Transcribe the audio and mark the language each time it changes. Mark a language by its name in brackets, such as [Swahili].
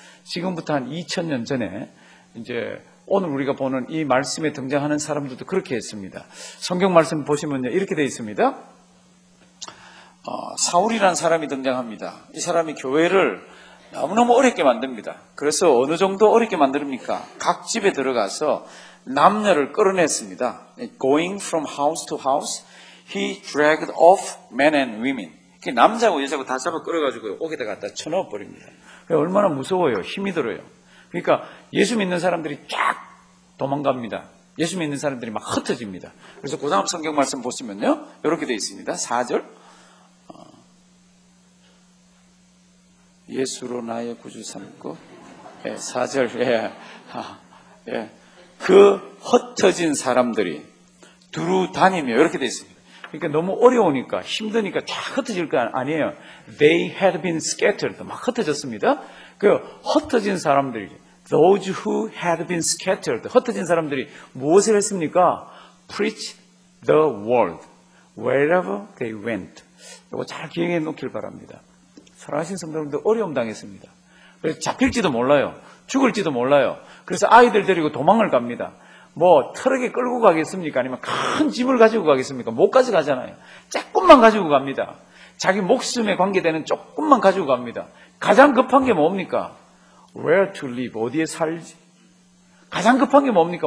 [Korean] 지금부터 한 2000년 전에 이제 오늘 우리가 보는 이 말씀에 등장하는 사람들도 그렇게 했습니다. 성경 말씀 보시면 이렇게 되어 있습니다. 사울이라는 사람이 등장합니다. 이 사람이 교회를 너무너무 어렵게 만듭니다. 그래서 어느 정도 어렵게 만듭니까? 각 집에 들어가서 남녀를 끌어냈습니다. [English] Going from house to house, he dragged off men and women. [Korean] 남자고 여자고 다 잡아 끌어가지고 옥에다 갖다 쳐넣어버립니다. 얼마나 무서워요. 힘이 들어요. 그러니까 예수 믿는 사람들이 쫙 도망갑니다. 예수 믿는 사람들이 막 흩어집니다. 그래서 그 다음 성경 말씀 보시면요. 이렇게 되어 있습니다. 4절. 예수로 나의 구주 삼고, 예, 4절, 예, 예. 그 흩어진 사람들이 두루 다니며, 이렇게 돼 있습니다. 그러니까 너무 어려우니까, 힘드니까 쫙 흩어질 거 아니에요. [English] They had been scattered. [Korean] 막 흩어졌습니다. 그 흩어진 사람들이, [English] those who had been scattered. [Korean] 흩어진 사람들이 무엇을 했습니까? [English] Preach the word wherever they went. [Korean] 이거 잘 기억해 놓길 바랍니다. 사랑하신 성도님들 어려움 당했습니다. 그래서 잡힐지도 몰라요. 죽을지도 몰라요. 그래서 아이들 데리고 도망을 갑니다. 뭐 트럭에 끌고 가겠습니까? 아니면 큰 짐을 가지고 가겠습니까? 못 가져가잖아요. 조금만 가지고 갑니다. 자기 목숨에 관계되는 조금만 가지고 갑니다. 가장 급한 게 뭡니까? [English] Where to live? [Korean] 어디에 살지? 가장 급한 게 뭡니까?